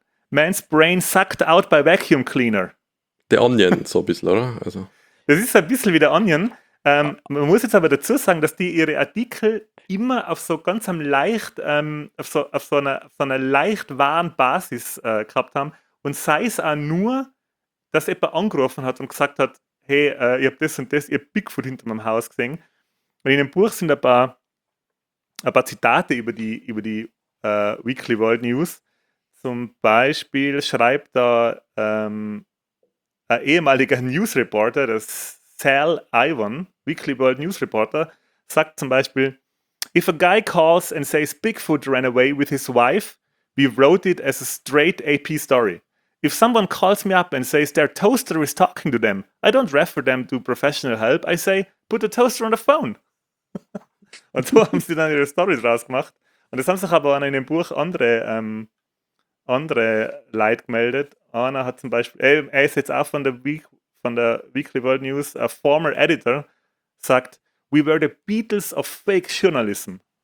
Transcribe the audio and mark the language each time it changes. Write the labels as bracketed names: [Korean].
[English] Man's brain sucked out by vacuum cleaner. [German] The Onion, so ein bisschen, oder? Also. Das ist ein bisschen wie der Onion. Man muss jetzt aber dazu sagen, dass die ihre Artikel immer auf so ganz am leicht, auf so einer leicht wahren Basis gehabt haben. Und sei es auch nur, dass jemand angerufen hat und gesagt hat, hey, ich habe das und das, ich habe Bigfoot hinter meinem Haus gesehen. Und in dem Buch sind ein paar Zitate über die Weekly World News. Zum Beispiel schreibt da ein ehemaliger Newsreporter, das Sal Ivan, Weekly World News Reporter, sagt zum Beispiel: [English] If a guy calls and says Bigfoot ran away with his wife, we wrote it as a straight AP story. If someone calls me up and says their toaster is talking to them, I don't refer them to professional help, I say, put the toaster on the phone. [German] Und so haben sie dann ihre Story draus gemacht. Und das haben sich aber auch in dem Buch andere Leute gemeldet. Einer hat zum Beispiel, er ist jetzt auch von der Weekly World News, [English] a former editor, [German] sagt, [English] we were the Beatles of fake journalism.